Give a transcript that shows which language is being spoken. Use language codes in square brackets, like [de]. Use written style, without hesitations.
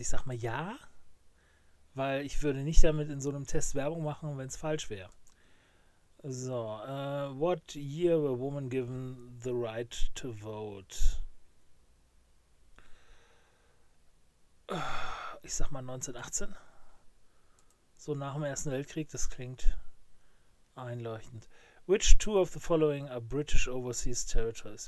[de] Ich sag mal ja, weil ich würde nicht damit in so einem Test Werbung machen, wenn es falsch wäre. [en] So, what year were women given the right to vote? [de] Ich sag mal 1918. So nach dem Ersten Weltkrieg, das klingt einleuchtend. [en] Which two of the following are British Overseas Territories?